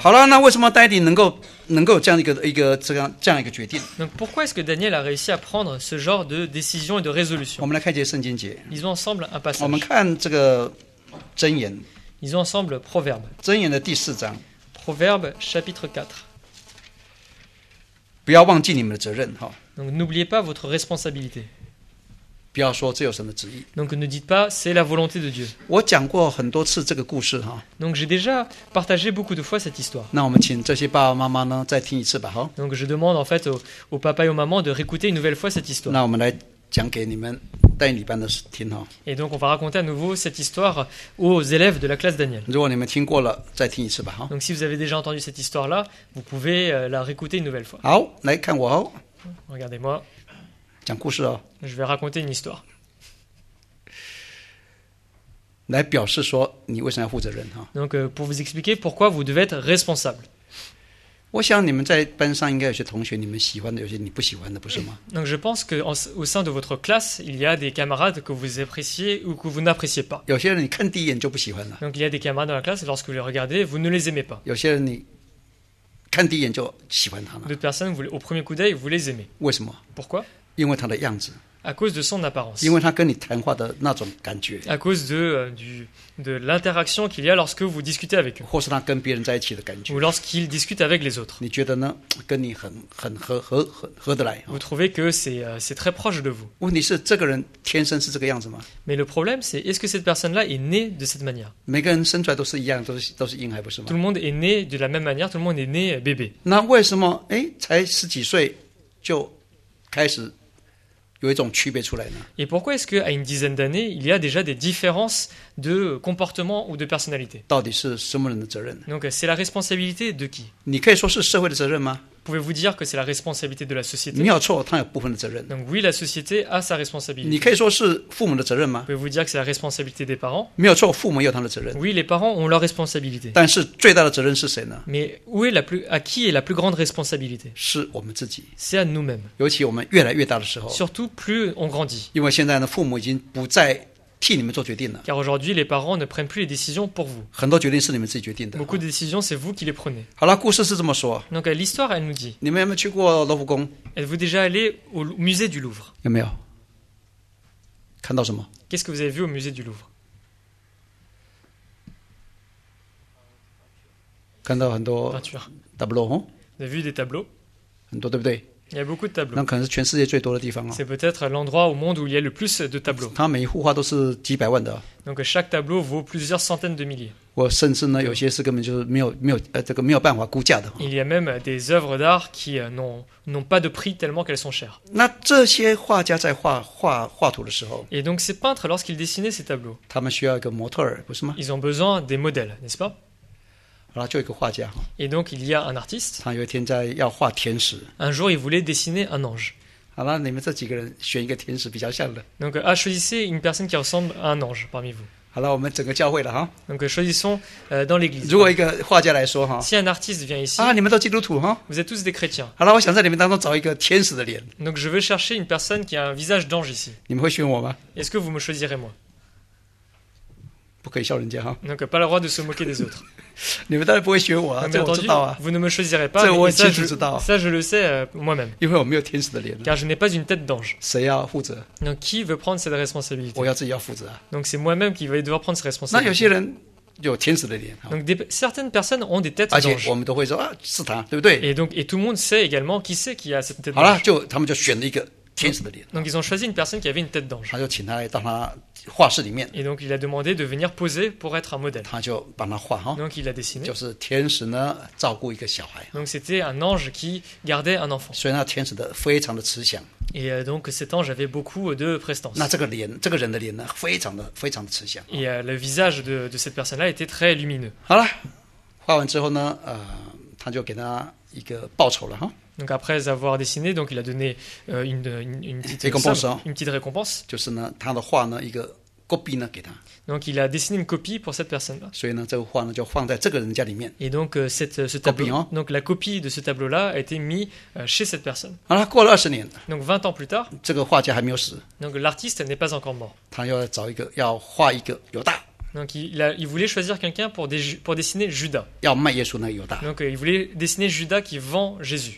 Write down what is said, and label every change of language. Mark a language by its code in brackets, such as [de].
[zh] 好了，那为什么丹尼里能够这样一个决定? [fr] Donc pourquoi est-ce que Daniel a réussi à prendre ce genre de décision et de résolution? [zh] 我们来看一节圣经节。 [fr] Lisons ensemble un passage. [zh] 我们看这个箴言。 [fr] Lisons ensemble Proverbe. [zh] 箴言的第四章。 [fr] Proverbe chapitre 4. [zh] 不要忘记你们的责任。 [fr] Donc, n'oubliez pas votre responsabilité. [zh] 不要说这有神的旨意。 [fr] Donc, ne dites pas, c'est la volonté de Dieu. [zh] 我讲过很多次这个故事。 [fr] Donc, j'ai déjà partagé beaucoup de fois cette histoire. [zh] 那我们请这些爸爸妈妈呢再听一次吧。 [fr] Donc, je demande en fait aux papa et aux mamans de réécouter une nouvelle fois cette histoire. [zh] 那我们来讲给你们丹尼班的听。 [fr] Et donc, on va raconter à nouveau cette histoire aux élèves de la classe Daniel. [zh] 如果你们听过了，再听一次吧。 [fr] Donc, si vous avez déjà entendu cette histoire-là, vous pouvez la réécouter une nouvelle fois. [zh] 好，来看我哦。 [fr] Regardez-moi. [zh] 讲故事哦。 [fr] Je vais raconter une histoire. [zh] 来表示说你为什么要负责任。 [fr] Donc, pour vous expliquer pourquoi vous devez être responsable. [zh] 我想你们在班上应该有些同学你们喜欢的有些你不喜欢的不是吗 [fr] Donc je pense qu'au sein de votre classe il y a des camarades que vous appréciez ou que vous n'appréciez pas [zh] 有些人你看第一眼就不喜欢了 [fr] Donc il y a des camarades dans la classe lorsque vous les regardez vous ne les aimez pas [zh] 有些人你看第一眼就喜欢他了 [fr] D'autres personnes vous, au premier coup d'œil vous les aimez [zh] 为什么 [fr] Pourquoi [zh] 因为他的样子 [fr] À cause de son apparence [zh] 因为他跟你谈话的那种感觉 [fr] À cause de l'interaction qu'il y a lorsque vous discutez avec eux. [zh] 或是他跟别人在一起的感觉。 [fr] Ou lorsqu'il discute avec les autres. [zh] 你觉得呢?跟你很合得来。 [fr] Vous trouvez que c'est très proche de vous. [zh] 问题是这个人天生是这个样子吗? [fr] Mais le problème c'est est-ce que cette personne-là est née de cette manière? [zh] 每个人生出来都是一样都是婴孩不是吗? [fr] Tout le monde est né de la même manière, tout le monde est né bébé. [zh] 那为什么,诶,才十几岁就开始有一种区别出来呢? [fr] Et pourquoi est-ce qu'à une dizaine d'années, il y a déjà des différences de comportement ou de personnalité? [zh] 到底是什么人的责任? [fr] Donc, c'est la responsabilité de qui? [zh] 你可以说是社会的责任吗? [fr] Pouvez-vous dire que c'est la responsabilité de la société? [zh] 没有错,它有部分的责任。 [fr] Donc, oui, la société a sa responsabilité. [zh] 你可以说是父母的责任吗? [fr] Pouvez-vous dire que c'est la responsabilité des parents? [zh] 没有错,父母也有他的责任。 [fr] Oui, les parents ont leur responsabilité. [zh] 但是最大的责任是谁呢? [fr] Mais où est à qui est la plus grande responsabilité? [zh] 是我们自己。 [fr] C'est à nous-mêmes. [zh] 尤其我们越来越大的时候。 [fr] Surtout, plus on grandit. [zh] 因为现在呢,父母已经不再替你们做决定了。 [fr] Car aujourd'hui, les parents ne prennent plus les décisions pour vous. [zh] 很多决定是你们自己决定的。 [fr] Beaucoup de décisions, c'est vous qui les prenez. [zh] 好了，故事是这么说。 [fr] Donc l'histoire, elle nous dit. [zh] 你们有没有去过罗浮宫 [fr] ？Êtes-vous déjà allé au musée du Louvre？ [zh] 有没有？看到什么 [fr] ？Qu'est-ce que vous avez vu au musée du Louvre？ [zh] 看到很多 [fr] peinture. Tableaux, hein？ Vous avez vu des tableaux？ [zh] 很多，对不对？ [fr] Il y a beaucoup de tableaux. [zh] 那可能是全世界最多的地方啊。 [fr] C'est peut-être l'endroit au monde où il y a le plus de tableaux. [zh] 它每一幅画都是几百万的。 [fr] Donc chaque tableau vaut plusieurs centaines de milliers. [zh] 我甚至呢，有些是根本就是没有办法估价的。 [fr] Il y a même des œuvres d'art qui n'ont pas de prix tellement qu'elles sont chères. [zh] 那这些画家在画图的时候 [fr] ，Et donc ces peintres lorsqu'ils dessinaient ces tableaux, [zh] 他们需要一个模特儿，不是吗 [fr] ？Ils ont besoin des modèles, n'est-ce pas？ [zh] 然后就一个画家。 [fr] Et donc il y a un artiste. [zh] 他有一天在要画天使。 [fr] Un jour il voulait dessiner un ange. [zh] 好了，你们这几个人选一个天使比较像的。 [fr] Donc choisissez une personne qui ressemble à un ange parmi vous. [zh] 好了，我们整个教会了哈。 [fr] Donc choisissons dans l'église. [zh] 如果一个画家来说哈。 [fr] Si un artiste vient ici. [zh] 啊，你们都基督徒哈。 [fr] Vous êtes tous des chrétiens. [zh] 好了，我想在你们当中找一个天使的脸。 [fr] Donc je veux chercher une personne qui a un visage d'ange ici. [zh] 你们会选我吗 [fr] ？Est-ce que vous me choisirez moi？ [zh] 不可以笑人家哈。 [fr] Donc pas le droit de se moquer des autres. [zh] 你们当然不会选我啊，这我知道啊。 [fr] Vous ne me choisirez pas. [zh] 这我清楚知道。 [fr] Ça je le sais moi-même. [zh] 因为我没有天使的脸。 [fr] Car je n'ai pas une tête d'ange. [zh] 谁要负责 [fr] ？Donc qui veut prendre cette responsabilité？ [zh] 我要自己要负责。 [fr] Donc c'est moi-même qui vais devoir prendre cette responsabilité. [zh] 那有些人有天使的脸。 [fr] Donc certaines personnes ont des têtes d'ange. [zh] 而且我们都会说啊，是他，对不对 [fr] ？Et tout le monde sait également qui c'est qui a cette tête d'ange. [zh] 好了，就他们就选了一个。 [fr] Donc ils ont choisi une personne qui avait une tête d'ange. [zh] 他就请他来到他画室里面。 [fr] Et donc il a demandé de venir poser pour être un modèle. [zh] 他就帮他画哈。 [fr] Donc il a dessiné. [zh] 就是天使呢照顾一个小孩。 [fr] Donc c'était un ange qui gardait un enfant. [zh] 所以那天使的非常的慈祥。 [fr] Et donc cet ange avait beaucoup de prestance. [zh] 那这个脸，这个人的脸呢，非常的慈祥。 [fr] Et le visage de cette personne-là était très lumineux. [zh] 好了，画完之后呢，他就给他一个报酬了哈。 [fr] Donc après avoir dessiné, donc il a donné une petite récompense. [zh] 就是呢，他的画呢，一个 copy 呢给他。 [fr] Donc il a dessiné une copie pour cette personne-là. [zh] 所以呢，这个画呢就放在这个人家里面。 [fr] Et donc ce tableau, copy, donc la copie de ce tableau-là a été mis chez cette personne. [zh] 好了，过了二十年。 [fr] Donc 20 ans plus tard. [zh] 这个画家还没有死。 [fr] Donc l'artiste n'est pas encore mort. [zh] 他要找一个要画一个犹大。 [fr] Donc il voulait choisir quelqu'un pour dessiner Judas. [zh] 要卖耶稣那个犹大。 [fr] Donc il voulait dessiner Judas qui vend Jésus.